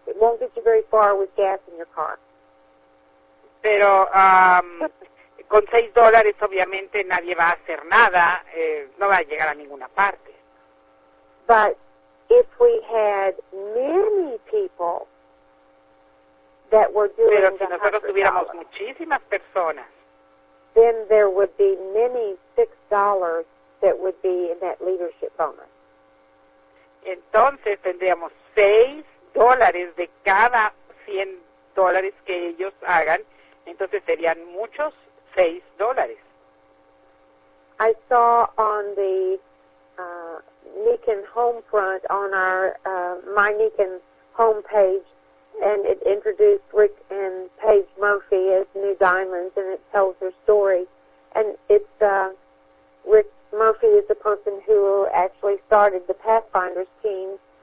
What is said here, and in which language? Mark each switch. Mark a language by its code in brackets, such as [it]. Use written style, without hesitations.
[en] It won't get you very far with gas in your car. [es] Pero con $6 obviamente nadie va a hacer nada, no va a llegar a ninguna parte. [en] But if we had many people that were doing [es] pero si nosotros tuviéramos muchísimas personas, [en] then there would be many $6 that would be in that leadership bonus. [es] Entonces tendríamos $6 de cada $100 que ellos hagan, entonces serían muchos $6. [en] I saw on the Niken home front on our My Niken home page, and it introduced Rick and Paige Murphy as New Diamonds, and it tells their story. And it's Rick Murphy is the person who actually started the Pathfinders team.